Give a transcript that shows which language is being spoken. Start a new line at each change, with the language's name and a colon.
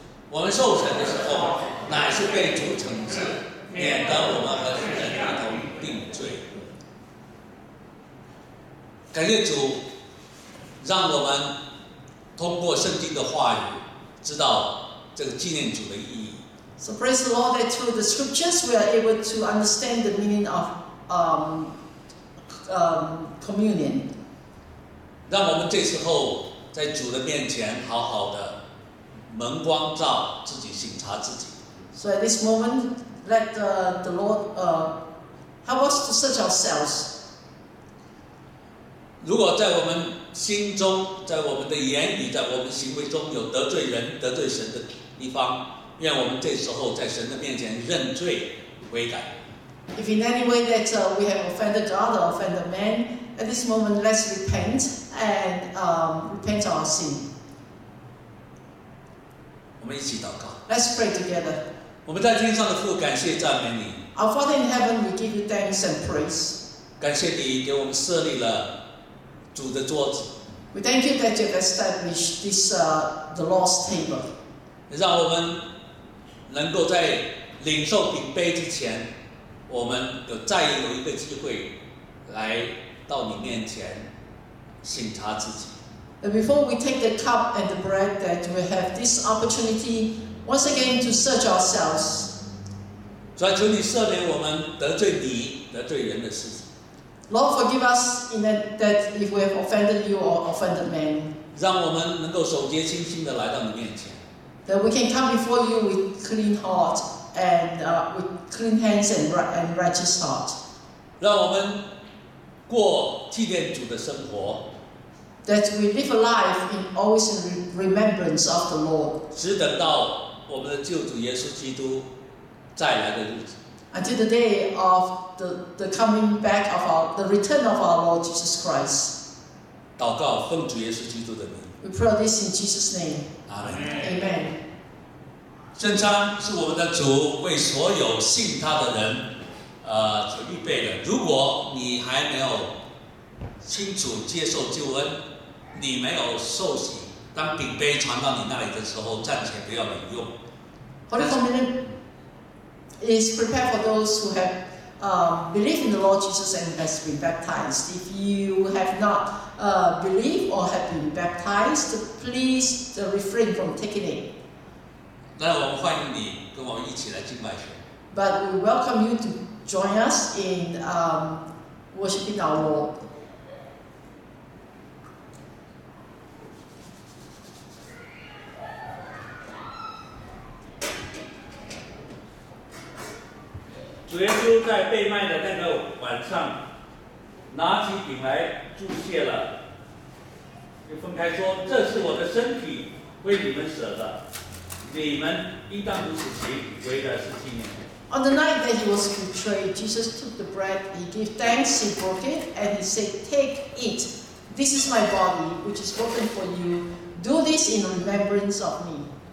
Chinese: 我们受审的时候，乃是被主惩治，免得我们和世人一同定罪。感谢主，让我们通过圣经的话语，知道这个纪念主的意义。
English: So praise the Lord that through the scriptures we are able to understand the meaning of communion.
Chinese: 让我们这时候在主的面前好好的蒙光照，自己省察自己。
English: So at this moment, let the Lord help us to search ourselves.
Chinese: 如果在我们心中，在我们的言语，在我们行为中有得罪人、得罪神的地方，愿我们这时候在神的面前认罪悔改。
English: If in any way that we have offended God or offended man, at this moment let's repent and repent our sin.
Chinese: 我们一起祷告。
English: Let's pray together.
Chinese: 我们在天上的父，感谢赞美你。
English: Our Father in heaven, we give you thanks and praise.
Chinese: 感谢你给我们设立了。主的桌子
English: We thank you that you have established this the Lord's table.
Chinese: 让我们能够在领受饼杯之前，我们有再有一个机会来到你面前省察自己。
English: And before we take the cup and the bread, that we have this opportunity once again to search ourselves.
Chinese: 主啊，求你赦免我们得罪你、得罪人的事情。
English: Lord, forgive us in that if we have offended you or offended man.
Chinese: 让我们能够守节清心的来到你面前。
English: That we can come before you with clean heart and with clean hands and righteous heart.
Chinese: 让我们过纪念主的生活。
English: That we live a life in always in remembrance of the Lord.
Chinese: 只等到我们的救主耶稣基督再来的日子。
English: Until the day of the coming back of the return of our Lord Jesus Christ.
Chinese: 祷告奉主耶稣基督的名。
English: We pray this in Jesus' name. Amen. Amen.
Chinese: 圣餐是我们的主为所有信他的人，所预备的。如果你还没有清楚接受救恩，你没有受洗，当饼杯传到你那里的时候，暂且不要饮用。
English: Holy Communion. Is prepared for those who have believed in the Lord Jesus and has been baptized. If you have not believed or have been baptized, please refrain from taking it.
Chinese: 那我们欢迎你跟我们一起来敬拜神。
English: But we welcome you to join us in worshiping our Lord.
Chinese: 主耶稣在被卖的那个晚上，拿起饼来祝谢了，就分开说：“这是我的身体，为你们舍的，你们应当如此行，为的是纪念。”
English: On the night that he was betrayed, Jesus took the bread, he gave thanks, he broke it, and he said, "Take, eat. This is my body, which is broken for you. Do this in remembrance of me."